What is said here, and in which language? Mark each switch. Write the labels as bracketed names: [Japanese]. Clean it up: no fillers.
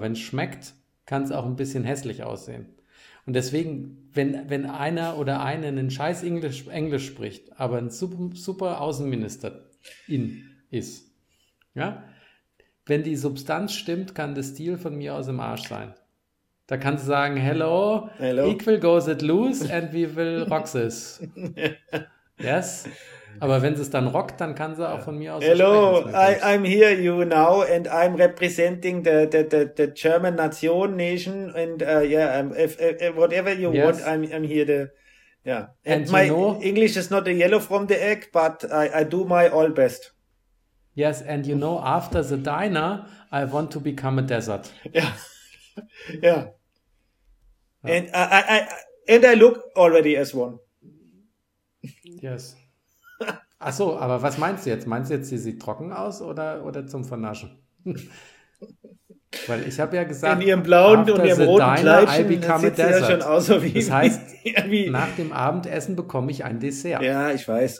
[German] Wenn es schmeckt, kann es auch ein bisschen hässlich aussehen. Und deswegen, wenn einer oder eine einen scheiß Englisch spricht, aber ein super, super Außenminister in ist, ja, wenn die Substanz stimmt, kann der Stil von mir aus im Arsch sein. Da kannst du sagen, hello. [English] Equal goes it loose and we will rock this. Yes. [German] Aber wenn es dann rockt, dann kann sie auch von mir aus. [English] Hello, I'm here you now and I'm representing the German nation and whatever you yes. want, I'm here the yeah. And my you know, English is not a yellow from the egg, but I do my all best. Yes, and you know, after the diner, I want to become a desert. Yeah, yeah. And I look already as one. Yes. [German] Ach so, aber was meinst du jetzt? Meinst du jetzt, sie sieht trocken aus oder zum Vernaschen? Weil ich habe ja gesagt, in ihrem blauen und ihrem roten Kleidchen sieht sie ja schon aus, so wie das heißt, nach dem Abendessen bekomme ich ein Dessert. Ja, ich weiß.